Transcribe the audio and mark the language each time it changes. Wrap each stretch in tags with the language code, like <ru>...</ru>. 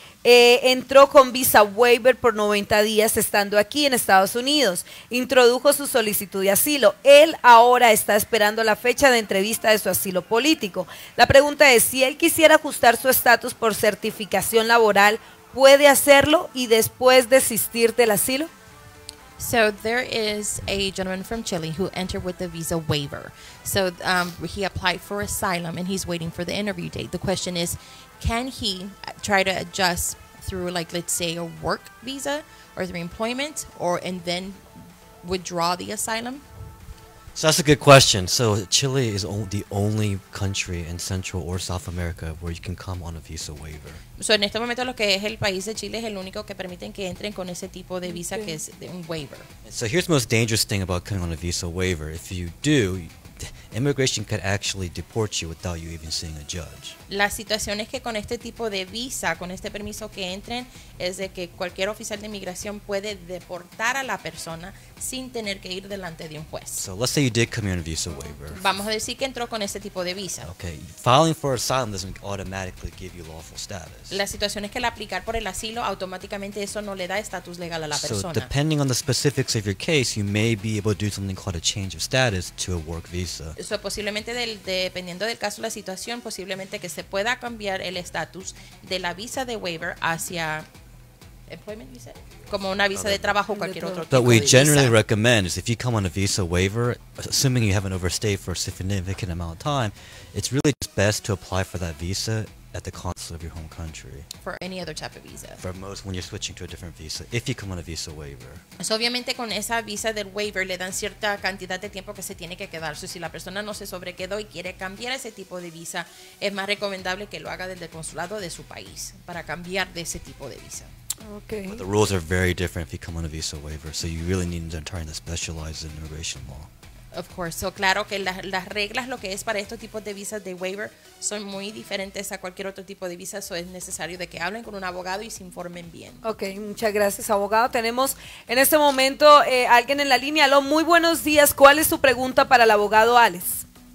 <es>Entró con visa waiver por 90 días estando aquí en Estados Unidos. Introdujo su solicitud de asilo. Él ahora está esperando la fecha de entrevista de su asilo político. La pregunta es, si él quisiera ajustar su estatus por certificación laboral, ¿puede hacerlo y después desistir del asilo?</es> <en>So there is a gentleman from Chile who entered with a visa waiver. So he applied for asylum and he's waiting for the interview date. The question is, can he try to adjust through, like, let's say, a work visa or through employment, or and then withdraw the asylum? So that's a good question. So Chile is the only country in Central or South America where you can come on a visa waiver.</en> <es>So en este momento lo que es el país de Chile es el único que permiten que entren con ese tipo de visa, okay, que es un waiver.</es> <en>So here's the most dangerous thing about coming on a visa waiver. If you do, immigration could actually deport you without you even seeing a judge.</en> <es>La situación es que con este tipo de visa, con este permiso que entren, es de que cualquier oficial de inmigración puede deportar a la persona sin tener que ir delante de un juez.</es> <en>So let's say you did come here on a visa waiver.</en> <es>Vamos a decir que entró con este tipo de visa.</es> <en>Okay, filing for asylum doesn't automatically give you lawful status.</en> <es>La situación es que al aplicar por el asilo, automáticamente eso no le da estatus legal a la persona.</es> <en>So depending on the specifics of your case, you may be able to do something called a change of status to a work visa.</en> <es>So posiblemente dependiendo del caso, la situación, posiblemente que se pueda cambiar el estatus de la visa de waiver hacia employment,</es> <en>you said?</en> <es>Como una visa de trabajo o cualquier otro tipo de visa.</es> <en>But we generally recommend is if you come on a visa waiver, assuming you haven't overstayed for a significant amount of time, it's really just best to apply for that visa at the consulate of your home country. For any other type of visa. For most, when you're switching to a different visa, if you come on a visa waiver.</en> <es>So obviamente con esa visa del waiver le dan cierta cantidad de tiempo que se tiene que quedar. So, si la persona no se sobrequedó y quiere cambiar ese tipo de visa, es más recomendable que lo haga desde el consulado de su país para cambiar de ese tipo de visa.</es> <en>Okay. But the rules are very different if you come on a visa waiver, so you really need an attorney that specializes in immigration law. Of course.</en> <es>So, claro que las reglas, lo que es para estos tipos de visas de waiver, son muy diferentes a cualquier otro tipo de visa. So, es necesario de que hablen con un abogado y se informen bien. Ok, muchas gracias, abogado. Tenemos en este momento alguien en la línea. Aló, muy buenos días. ¿Cuál es su pregunta para el abogado Alex?</es>